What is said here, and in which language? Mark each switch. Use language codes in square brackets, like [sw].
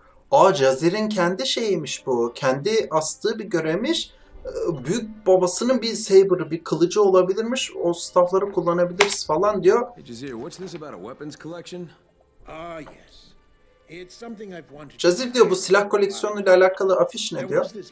[tr] Aa, Jazir'in kendi şeyiymiş bu. Kendi astığı bir görevmiş. Büyük babasının bir saber'ı, bir kılıcı olabilirmiş. O staff'ları kullanabiliriz falan diyor. [en] Jazir, what's this about a weapons collection? Ah, yes. It's something I've wanted. [tr] Jazir diyor, bu silah koleksiyonuyla alakalı afiş ne diyor?